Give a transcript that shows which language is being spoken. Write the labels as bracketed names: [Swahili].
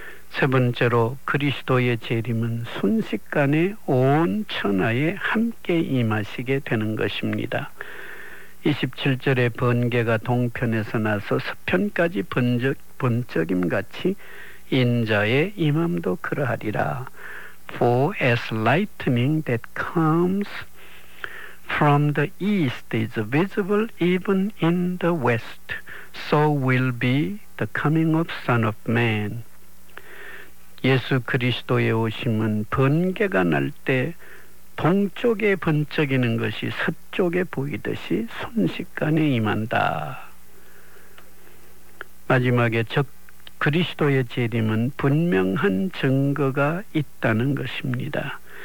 [Korean] 세 번째로 그리스도의 재림은 순식간에 온 천하에 함께 임하시게 되는 것입니다. 27절에 번개가 동편에서 나서 서편까지 번쩍임같이 인자의 임함도 그러하리라. [English] For as lightning that comes from the east is visible even in the west, so will be the coming of Son of Man. [Korean] 예수 그리스도의 오심은 번개가 날 때 동쪽에 번쩍이는 것이 서쪽에 보이듯이 순식간에 임한다. 마지막에 적 그리스도의 재림은 분명한 증거가 있다는 것입니다.